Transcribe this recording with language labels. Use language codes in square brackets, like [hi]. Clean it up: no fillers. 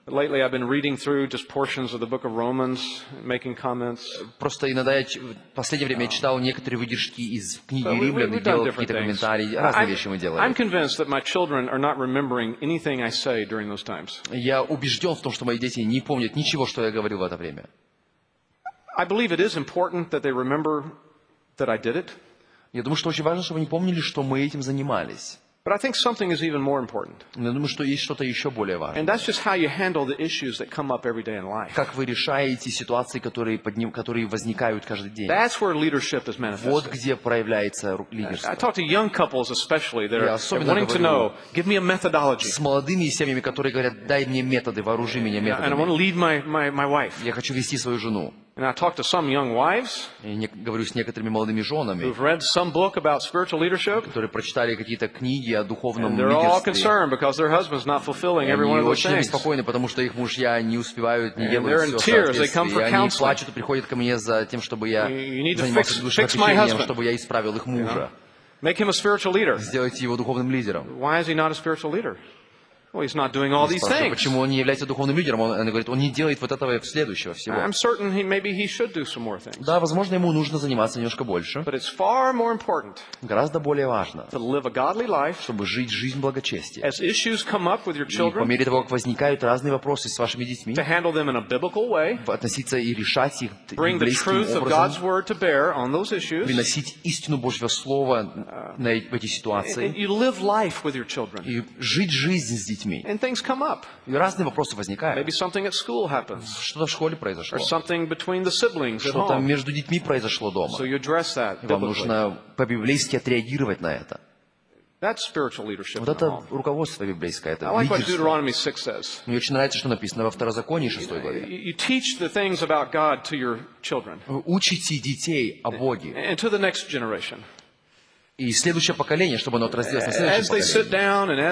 [en] Lately, I've been reading through just portions of the book of Romans, making comments. [ru] Просто иногда я в последнее время читал некоторые выдержки из книги Римлян и делал какие-то комментарии. Разные вещи мы делали. [en] I'm convinced that my children are not remembering anything I say during those times. [ru] Я убежден в том, что мои дети не помнят ничего, что я говорил в это время. [en] I believe it is important that they remember that I did it. [ru] Я думаю, что очень важно, чтобы они помнили, что мы этим занимались. [en] But I think something is even more important. [ru] Я думаю, что есть что-то еще более важное. [en] And that's just how you handle the issues that come up every day in life. [ru] Как вы решаете ситуации, которые возникают каждый день? [en] That's where leadership is manifested. [ru] Вот где проявляется лидерство. [en] I talk to young couples especially that are wanting to know, give me a methodology. [ru] С молодыми семьями, которые говорят, дай мне методы, вооружи меня методами. [en] And I want to lead my wife. [ru] Я хочу вести свою жену. [en] And I talk to some young wives. [ru] Я говорю с некоторыми молодыми женами. [en] Who've read some book about spiritual leadership? [ru] Которые прочитали какие-то книги о духовном лидерстве. [en] And they're all concerned because their husband's not fulfilling every one of those things. [ru] Они очень беспокоены, потому что их мужья не успевают, не делают все. [en] They're in tears. They come for counseling. [ru] Они плачут и приходят ко мне за тем, чтобы я занимался душепопечением, чтобы я исправил их мужа. [en] Make him a spiritual leader. [ru] Сделайте его духовным лидером. [en] Why is he not a spiritual leader? Well, he's not doing all these things. [ru] Почему он не является духовным лидером? Он говорит, он не делает вот этого следующего всего. [en] I'm certain maybe he should do some more things. [ru] Да, возможно, ему нужно заниматься немножко больше. [en] But it's far more important. [ru] Гораздо более важно. [en] To live a godly life. [ru] Чтобы жить жизнь благочестия. [en] As issues come up with your children. [ru] И по мере того, как возникают разные вопросы с вашими детьми. [en] To handle them in a biblical way. [ru] Относиться и решать их библейским образом. [en] Bring the truth of God's word to bear on those issues. [ru] Приносить истину Божьего слова на эти ситуации. [en] You live life with your children. [ru] И жить жизнь с детьми. [en] And things come up. [ru] И разные вопросы возникают. [en] Maybe something at school happens. [ru] Что-то в школе произошло. [en] Or something between the siblings at home. [ru] Что-то между детьми произошло дома. [en] So you address that. [ru] Вам нужно по-библейски отреагировать на это. [en] That's spiritual leadership. [ru] Вот это руководство библейское. [en] I like what Deuteronomy 6 says. [ru] Мне очень нравится, что написано во Второзаконии 6 главе. [en] You teach the things about God to your children. [ru] Учите детей о Боге. [en] And to the next generation. [ru] И следующее поколение, чтобы оно отразилось на следующее поколение.